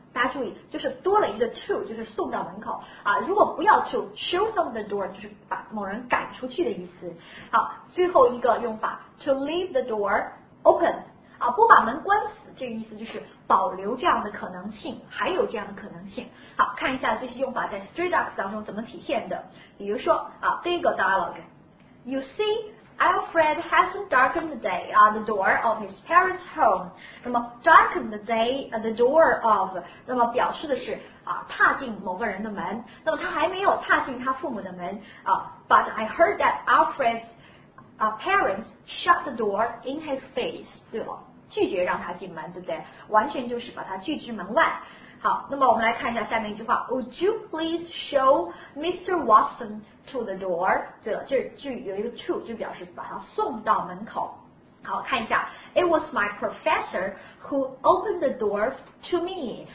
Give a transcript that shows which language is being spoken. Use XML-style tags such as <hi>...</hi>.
<zh>大家注意，就是多了一个 to， 就是送到门口啊。如果不要</zh> <en>to show someone the door，</en> <zh>就是把某人赶出去的意思。好，最后一个用法</zh> <en>to leave the door。</en> <zh>Open 啊，不把门关死，这个意思就是保留这样的可能性，还有这样的可能性。好，看一下这些用法在 straight up 当中怎么体现的。比如说啊，第一个</zh> <en>dialogue， You see, Alfred hasn't darkened the day on the door of his parents' home.</en> <zh>那么</zh> <en>darkened the day on the door of，</en> <zh>那么表示的是啊，踏进某个人的门。那么他还没有踏进他父母的门啊。</zh> <en>But I heard that Alfred'sparents shut the door in his face，</en> <zh>对了，拒绝让他进门，对不对？完全就是把他拒之门外。好，那么我们来看一下下面一句话，</zh> <en>Would you please show Mr. Watson to the door？</en> <zh>对了，这句有一个 to， 就表示把他送到门口。好，看一下，</zh> <en>It was my professor who opened the door to me。</en>